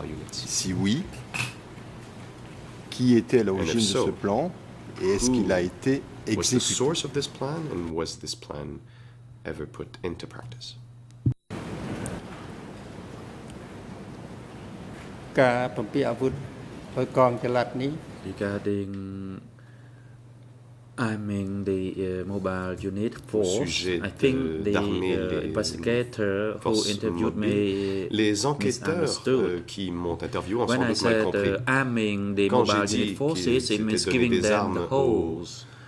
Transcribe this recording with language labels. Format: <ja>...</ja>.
<fr>Si oui, qui était à l'origine de ce plan et est-ce qu'il a été</fr> <en>was the source of this plan, and was this plan ever put into practice? Regarding, I mean, the mobile unit force, I think the investigator who interviewed</en> <fr>les enquêteurs qui m'ont interviewé ont sans doute mal compris.</fr> <en>Arming the mobile unit forces, it means giving them the holes.</en>